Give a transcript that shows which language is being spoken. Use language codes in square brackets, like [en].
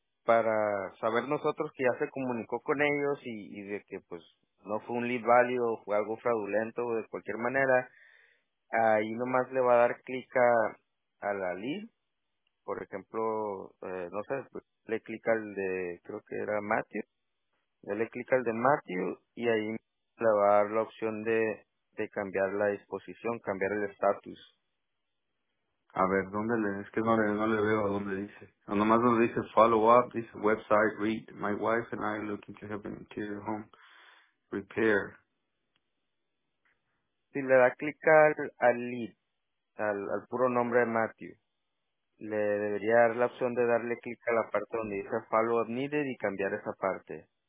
[es] para saber nosotros que ya se comunicó con ellos y de que, pues, no fue un lead válido, fue algo fraudulento de cualquier manera, ahí nomás le va a dar clic a la lead, por ejemplo, no sé, le clica al de, creo que era Matthew, le clica al de Matthew y ahí le va a dar la opción de cambiar la disposición, cambiar el estatus. A ver, ¿dónde le? Es que no le veo a dónde dice. Nomás nos dice [en] follow up, dice website, read, my wife and I looking to have an interior home. Repair. [es] Si le da clic al lead, al puro nombre de Matthew, le debería dar la opción de darle clic a la parte donde dice [en] follow up needed [es] y cambiar esa parte.